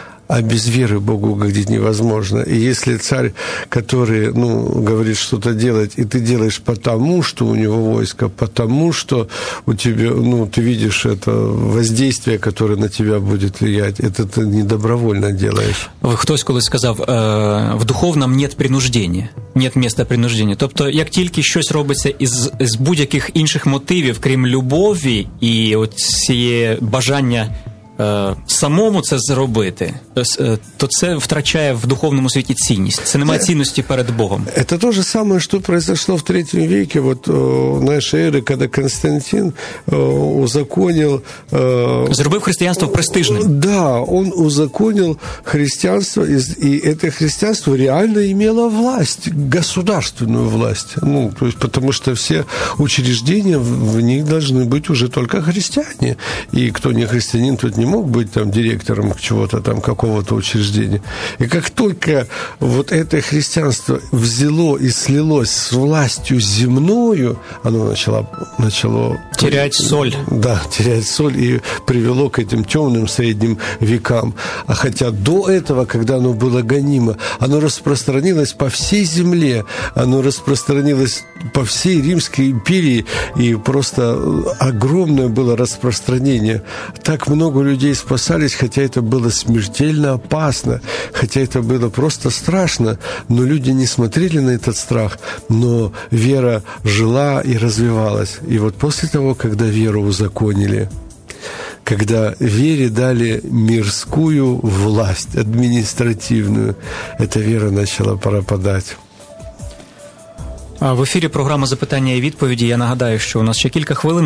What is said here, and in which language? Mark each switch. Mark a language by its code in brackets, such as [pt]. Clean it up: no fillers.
[ru] А без веры Богу угодить невозможно. И если царь, который, ну, говорит что-то делать, и ты делаешь потому, что у него войско, потому что у тебя, ну, ты видишь это воздействие, которое на тебя будет влиять, это ты не добровольно делаешь. [uk] Хтось колись сказав, [ru] в духовном нет принуждения, нет места принуждения. [uk] Тобто, як тільки щось робиться із будь-яких інших мотивів, крім любові і оціє бажання самому це зробити, то це втрачає в духовному світі цінність. Це немає цінності перед Богом. Це те ж саме, що [ru] произошло в 3 веке, [uk] от нашої ери, коли Константин узаконив... Зробив християнство престижним. Так, да, він узаконив християнство, і це християнство реально мало [ru] власть, государственну власть. [uk] Ну, тому що всі учреждення, в них повинні бути вже тільки християни. І хто не християнин, [ru] тот не мог быть там директором чего-то там, какого-то учреждения. И как только вот это христианство взяло и слилось с властью земною, оно начало... Терять соль. Да, терять соль и привело к этим темным средним векам. А хотя до этого, когда оно было гонимо, оно распространилось по всей земле, оно распространилось по всей Римской империи, и просто огромное было распространение. Так много людей спасались, хотя это было смертельно опасно, хотя это было просто страшно, но люди не смотрели на этот страх, но вера жила и развивалась. И вот после того, когда веру узаконили, когда вере дали мирскую власть, административную, эта вера начала пропадать. [uk] В ефірі програма «Запитання і відповіді». Я нагадаю, що у нас ще кілька хвилин.